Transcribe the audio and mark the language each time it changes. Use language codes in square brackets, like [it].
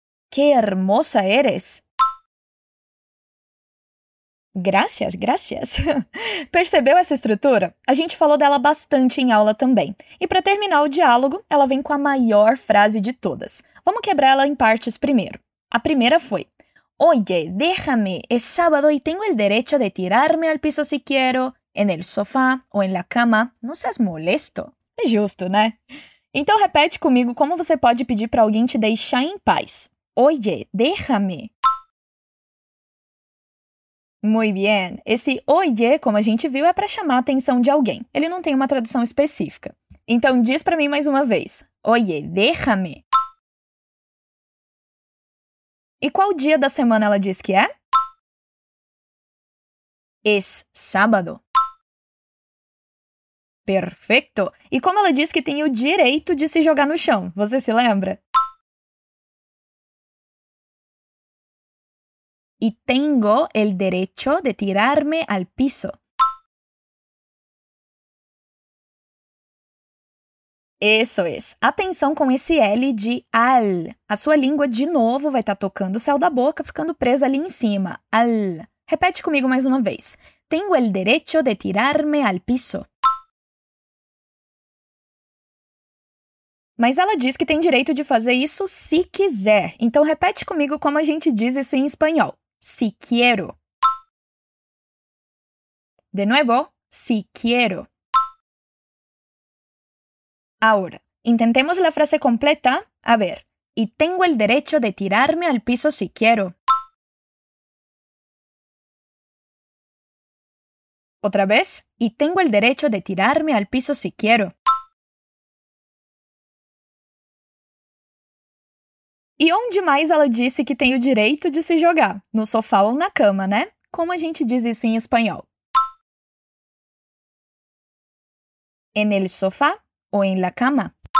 [es] Que hermosa eres? Gracias, gracias. [pt] Percebeu essa estrutura? A gente falou dela bastante em aula também. E para terminar o diálogo, ela vem com a maior frase de todas. Vamos quebrar ela em partes primeiro. A primeira foi, [es] oye, déjame, es sábado y tengo el derecho de tirarme al piso si quiero, en el sofá o en la cama, no seas molesto. [pt] É justo, né? Então repete comigo como você pode pedir para alguém te deixar em paz. [es] Oye, déjame. Muy bien. [pt] Esse oye, como a gente viu, é para chamar a atenção de alguém. Ele não tem uma tradução específica. Então diz para mim mais uma vez. [es] Oye, déjame. [pt] E qual dia da semana ela diz que é? [es] Es sábado. [pt] Perfeito. E como ela diz que tem o direito de se jogar no chão? Você se lembra? [es] Y tengo el derecho de tirarme al piso. Eso es. [pt] Atenção com esse L de al. A sua língua, de novo, vai estar tocando o céu da boca, ficando presa ali em cima. Al. Repete comigo mais uma vez. [es] Tengo el derecho de tirarme al piso. [pt] Mas ela diz que tem direito de fazer isso se quiser. Então, repete comigo como a gente diz isso em espanhol. [es] Si quiero. De nuevo, si quiero. Ahora, intentemos la frase completa. A ver, y tengo el derecho de tirarme al piso si quiero. Otra vez, y tengo el derecho de tirarme al piso si quiero. [pt] E onde mais ela disse que tem o direito de se jogar? No sofá ou na cama, né? Como a gente diz isso em espanhol? [es] En el sofá ou en la cama?